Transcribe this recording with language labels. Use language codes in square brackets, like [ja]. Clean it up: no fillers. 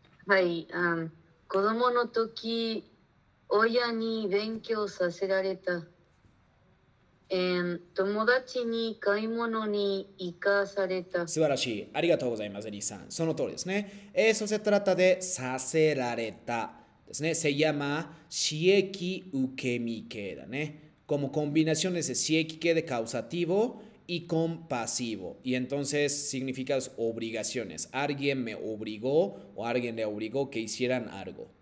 [ja] はい、子供の時、親に勉強させられた。友達に買い物に行かされた。素晴らしい。ありがとうございます、エリーさん。その通りですね。 [es] Eso se trata de させられた。 [ja] ですね。 Se llama 使役受け身形だね。 [es] Como combinaciones de 使役形で causativo y con pasivo. Y entonces significa obligaciones. Alguien me obligó o alguien le obligó que hicieran algo.